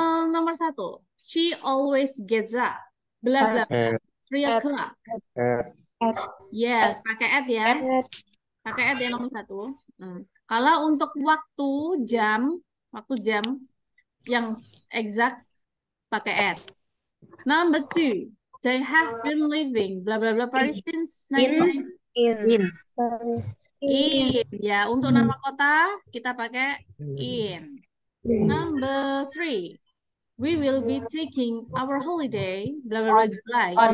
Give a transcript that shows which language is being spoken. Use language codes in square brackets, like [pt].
[id] Nomor satu. [en] She always gets up. Blah, blah. 3 o'clock. Yes, [id] pakai at ya. Pakai at ya nomor satu. Kalau untuk waktu jam yang exact, pakai at. [en] Number two. They have been living blah blah blah Paris since 1990. In. [id] Ya, untuk nama kota kita pakai in. [en] Number three. We will be taking our holiday blah blah blah July.